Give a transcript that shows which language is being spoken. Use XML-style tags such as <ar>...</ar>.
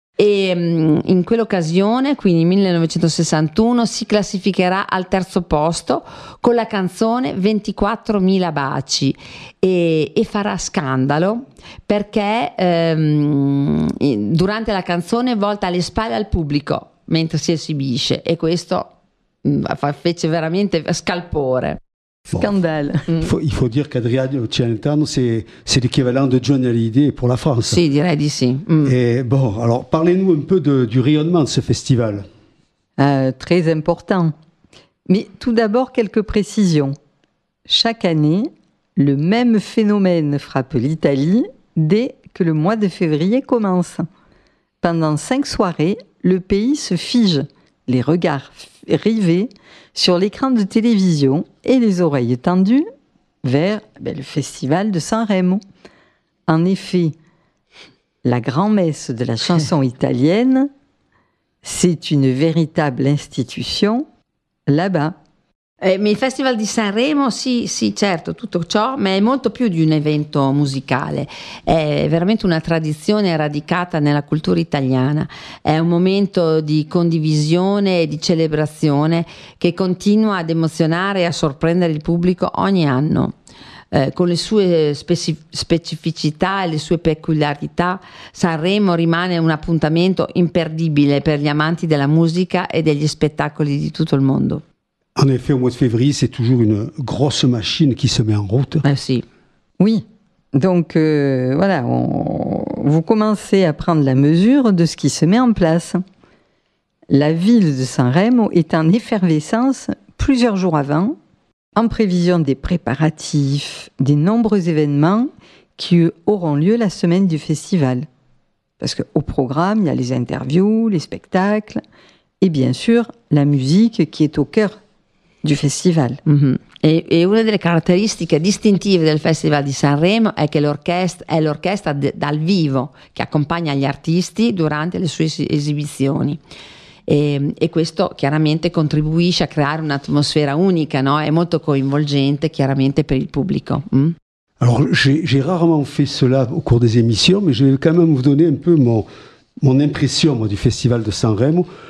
<it>E in quell'occasione, quindi 1961, si classificherà al terzo posto con la canzone 24.000 baci e farà scandalo perché durante la canzone volta le spalle al pubblico mentre si esibisce e questo fece veramente scalpore.</it> <fr>Scandale. Il faut dire qu'Adriano Celentano, c'est l'équivalent de Johnny Hallyday pour la France.</fr> <it>Sì, direi di sì.</it> <fr>Et bon, alors parlez-nous un peu du rayonnement de ce festival. Très important. Mais tout d'abord, quelques précisions. Chaque année, le même phénomène frappe l'Italie dès que le mois de février commence. Pendant 5 soirées, le pays se fige, les regards rivés sur l'écran de télévision et les oreilles tendues vers le festival de San Remo. En effet, la grand-messe de la chanson italienne, c'est une véritable institution là-bas.</fr> <it>Ma il Festival di Sanremo, sì, sì, certo, tutto ciò, ma è molto più di un evento musicale. È veramente una tradizione radicata nella cultura italiana. È un momento di condivisione e di celebrazione che continua ad emozionare e a sorprendere il pubblico ogni anno. Con le sue specificità e le sue peculiarità, Sanremo rimane un appuntamento imperdibile per gli amanti della musica e degli spettacoli di tutto il mondo.</it> <fr>En effet, au mois de février, c'est toujours une grosse machine qui se met en route.</fr> <it>Ah, si.</it> <fr>Oui, donc voilà, vous commencez à prendre la mesure de ce qui se met en place. La ville de San Remo est en effervescence plusieurs jours avant, en prévision des préparatifs, des nombreux événements qui auront lieu la semaine du festival. Parce qu'au programme, il y a les interviews, les spectacles, et bien sûr, la musique qui est au cœur du festival. Mm-hmm.</fr> <it>E una delle caratteristiche distintive del Festival di Sanremo è che l'orchestra dal vivo che accompagna gli artisti durante le sue esibizioni. E questo chiaramente contribuisce a creare un'atmosfera unica, no? È molto coinvolgente chiaramente per il pubblico.</it> <fr>Alors, j'ai rarement fait cela au cours des émissions, mais je vais quand même vous donner un peu mon impression du Festival de Sanremo.</fr>